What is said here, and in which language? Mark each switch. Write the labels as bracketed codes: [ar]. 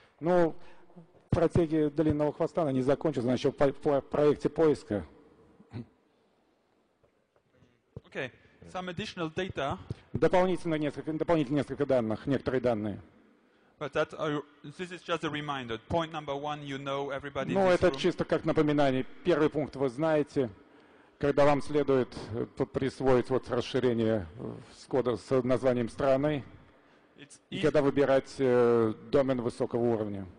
[ru] Ну, стратегия длинного хвоста, она не закончена, она еще в проекте поиска. [en] Okay. Some additional data. [ru] Дополнительные несколько данных, некоторые данные. [en] But that this is just a reminder. Point number one, you know, everybody. [ru] Ну, это чисто как напоминание. Первый пункт вы знаете, когда вам следует присвоить вот расширение с кодом с названием страны, и когда выбирать домен высокого уровня.